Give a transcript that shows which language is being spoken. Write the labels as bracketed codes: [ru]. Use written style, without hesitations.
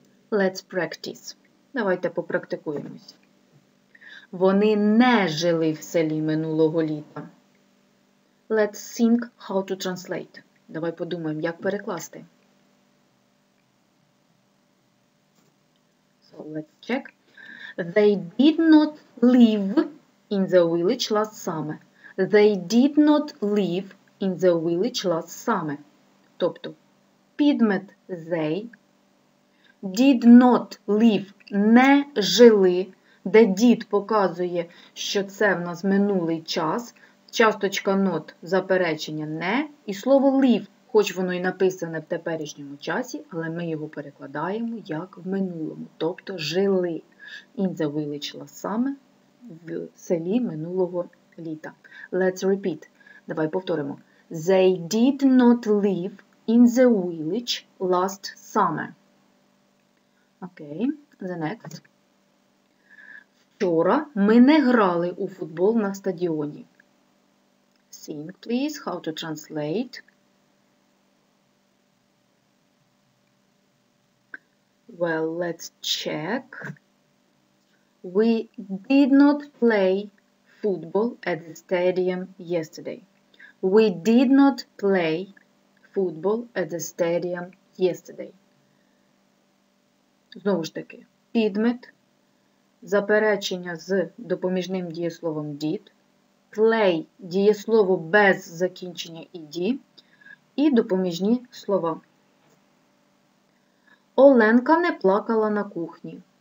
[en] Let's practice. [uk] Давайте попрактикуємось. Вони не жили в селі минулого літа. [en] Let's think how to translate. [uk] Давай подумаємо, як перекласти. [en] So, let's check. They did not live in the village last summer. They did not live in the village last summer. [uk] Тобто, підмет [en] they did not live, [uk] не жили, де did показує, що це в нас минулий час. Часточка not, заперечення не, і слово live, хоч воно і написане в теперішньому часі, але ми його перекладаємо як в минулому, тобто жили. [en] In the village last summer, [uk] в селі минулого літа. [en] Let's repeat. [uk] Давай повторимо. [en] They did not live in the village last summer. Окей, okay. The next. [uk] Вчора ми не грали у футбол на стадіоні. [en] Think, please, how to translate. Well, let's check. We did not play football at the stadium yesterday. We did not play football at the stadium yesterday. [uk] Знову ж таки, підмет, заперечення з допоміжним дієсловом did, play – дієслово без закінчення ed, і допоміжні слова. Оленка не плакала на кухні.